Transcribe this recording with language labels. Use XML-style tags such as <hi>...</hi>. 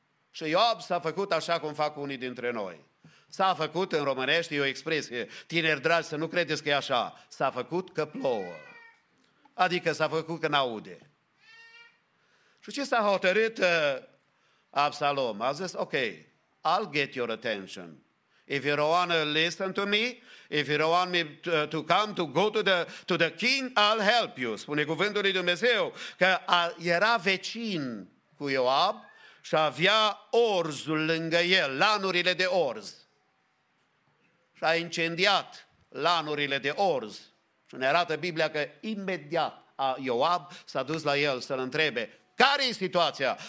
<ro>Și Ioab s-a făcut așa cum fac unii dintre noi. S-a făcut, în românești, e o expresie, tineri dragi, să nu credeți că e așa, s-a făcut că plouă. Adică s-a făcut că n-aude. Și ce s-a hotărât Absalom? A zis,</ro> <en>ok, I'll get your attention. If you don't want to listen to me, if you don't want me to come to go to the king, I'll help you.</en> <ro>Spune cuvântul lui Dumnezeu că era vecin cu Ioab și avea orzul lângă el, lanurile de orz. Și a incendiat lanurile de orz. Și ne arată Biblia că imediat Ioab s-a dus la el să-l întrebe, care e situația?</ro>